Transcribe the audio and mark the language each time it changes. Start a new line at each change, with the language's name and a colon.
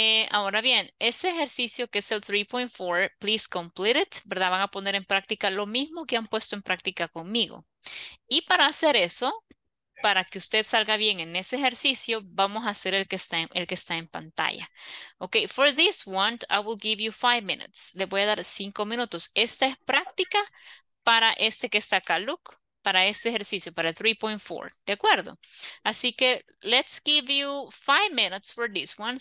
Spanish: Ahora bien, ese ejercicio que es el 3.4,
English: please complete it,
Spanish: ¿verdad? Van a poner en práctica lo mismo que han puesto en práctica conmigo. Y para hacer eso, para que usted salga bien en ese ejercicio, vamos a hacer el que está en pantalla.
English: Ok, for this one, I will give you 5 minutes.
Spanish: Le voy a dar 5 minutos. Esta es práctica para este que está acá, look. Para este ejercicio, para el 3.4, ¿de acuerdo? Así que,
English: let's give you 5 minutes for this one.